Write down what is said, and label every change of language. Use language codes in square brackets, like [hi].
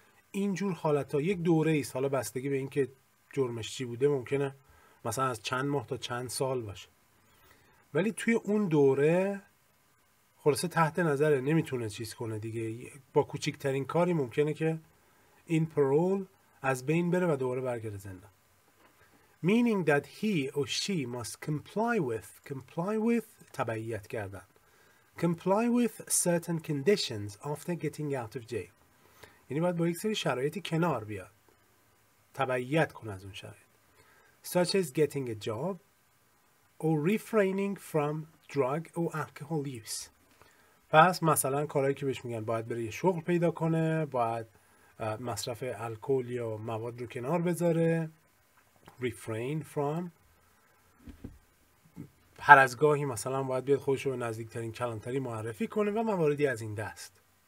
[fa] اینجور حالت ها یک دوره ایست. حالا بستگی به این که جرمش چی بوده ممکنه مثلا از چند ماه تا چند سال باشه, ولی توی اون دوره خلاصه تحت نظره, نمیتونه چیز کنه دیگه. با کوچکترین کاری ممکنه که این پرول از بین بره و دوباره برگرده زندان. [en] Meaning that he or she must comply with [fa] تبعیت کردن, [en] comply with certain conditions after getting out of jail. [fa] یعنی باید با یک سری شرایطی کنار بیاد, تبعیت کنه از اون شرایط. [en] Such as getting a job or refraining from drug or alcohol use. [fa] پس مثلا کارهایی که بهش میگن باید بره یه شغل پیدا کنه, باید مصرف الکل یا مواد رو کنار بذاره, [en] refrain from, [fa] هر از گاهی مثلا باید بیاد خودش رو نزدیکترین کلانتری معرفی کنه و مواردی از این دست.